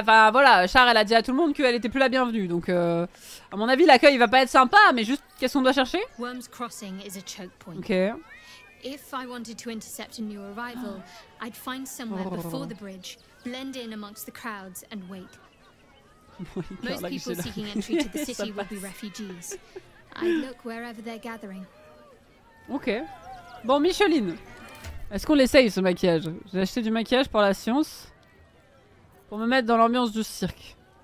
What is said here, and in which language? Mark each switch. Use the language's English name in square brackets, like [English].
[French] Enfin, voilà, Char, elle a dit à tout le monde qu'elle était plus la bienvenue. Donc, à mon avis, l'accueil, il va pas être sympa, mais juste, qu'est-ce qu'on doit chercher? [English] Worms Crossing is a choke point. Ok. If I wanted to intercept a new arrival, I'd find somewhere before the bridge, blend in amongst the crowds, and wait. Most people seeking entry to the city would be refugees. I'd look wherever they're gathering. Ok. [French] Bon, Micheline, est-ce qu'on l'essaye, ce maquillage? J'ai acheté du maquillage pour la science, pour me mettre dans l'ambiance du cirque.